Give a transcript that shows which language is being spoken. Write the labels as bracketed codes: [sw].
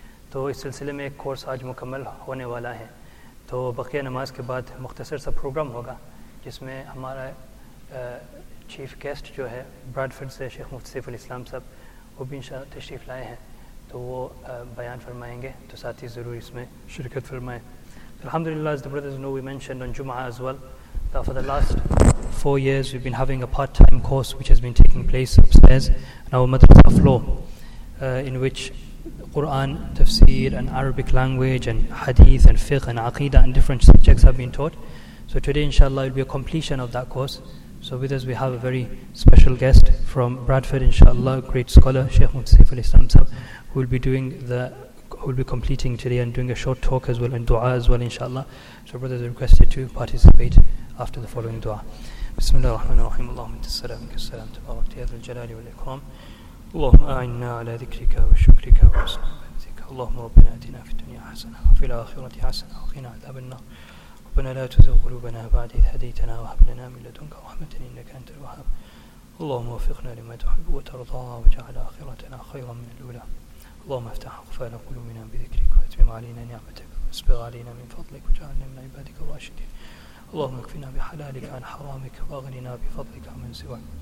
[ur] تو اس سلسلے میں ایک کورس آج مکمل ہونے والا ہے تو بقیہ نماز کے بعد مختصر سا پروگرام ہوگا جس میں ہمارا چیف گیسٹ جو ہے برادفرڈ سے شیخ مفتی سیف الاسلام صاحب وہ بھی انشاءاللہ تشریف لائے ہیں تو وہ بیان فرمائیں گے تو ساتھی ضرور اس میں شرکت فرمائیں الحمدللہ [en] as the brothers know we mentioned on Jumu'ah as well that for the last 4 years we've been having a part-time course which has been taking place upstairs on our madrasa floor in which Quran, Tafsir, and Arabic language, and Hadith, and Fiqh, and Aqidah, and different subjects have been taught. So today, inshallah, will be a completion of that course. So with us, we have a very special guest from Bradford, inshallah, great scholar, Sheikh Mufti Saif al-Islam Sahib, who will be doing who will be completing today and doing a short talk as well, and dua as well, inshallah. So brothers are requested to participate after the following dua. [ar] Bismillah ar-Rahman ar-Rahim, Allahumma inti as-salam, inki as-salam, tabarak, tiyadu al-jalali wal-ikram. اللهم أعنا على ذكرك وشكرك وحسن عبادتك اللهم ربنا آتنا في الدنيا حسنة وفي الآخرة حسنة وقنا عذاب النار ربنا لا تزغ قلوبنا بعد إذ هديتنا وهب لنا من لدنك رحمة إنك أنت الوهاب اللهم وفقنا لما تحب وترضى واجعل آخرتنا خيرا من الأولى اللهم افتح أقفال قلوبنا بذكرك وأتمم علينا نعمتك واسبغ علينا من فضلك واجعلنا من عبادك الراشدين اللهم اكفنا بحلالك عن حرامك واغننا بفضلك عمن سواك